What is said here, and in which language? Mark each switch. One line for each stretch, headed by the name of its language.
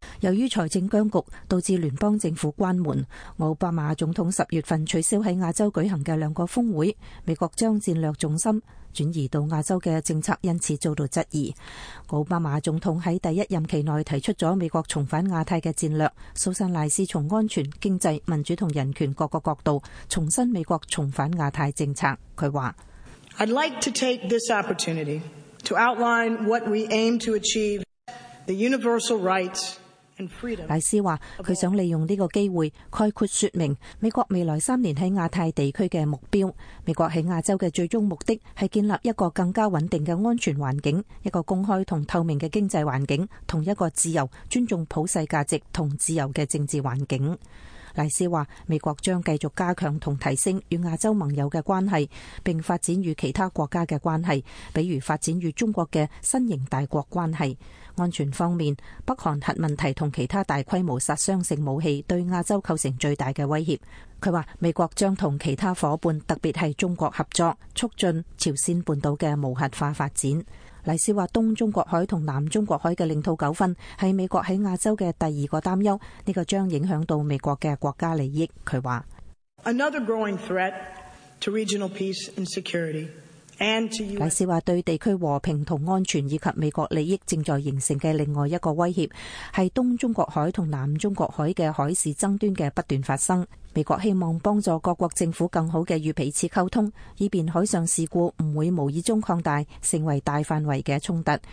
Chinese: 由于财政僵局导致联邦政府关门，奥巴马总统10月份取消在亚洲举行的两个峰会，美国将战略重心转移到亚洲的政策因此遭到质疑。奥巴马总统在第一任期内提出了美国重返亚太的战略，苏珊赖斯从安全、经济、民主和人权各个角度重申美国重返亚太政策。他说
English: I'd like to take this opportunity to outline what we aim to achieve, the universal rights and freedom。
Chinese: 赖斯说，他想利用这个机会概括说明美国未来3年在亚太地区的目标。美国在亚洲的最终目的是建立一个更加稳定的安全环境，一个公开和透明的经济环境，和一个自由、尊重普世价值和自由的政治环境。赖斯说，美国将继续加强和提升与亚洲盟友的关系，并发展与其他国家的关系，比如发展与中国的新型大国关系。安全方面，北韩核问题和其他大规模杀伤性武器对亚洲构成最大的威胁。他说，美国将和其他伙伴，特别是中国合作，促进朝鲜半岛的无核化发展。赖斯说，东中国海和南中国海的领土纠纷是美国在亚洲的第二个担忧，这个将影响到美国的国家利益。他说
English: Another growing threat to regional peace and security and to US。
Chinese: 赖斯说，对地区和平和安全以及美国利益正在形成的另外一个威胁是东中国海和南中国海的海事争端的不断发生。美国希望帮助各国政府更好地与彼此沟通，以便海上事故不会无意中扩大成为大范围的冲突。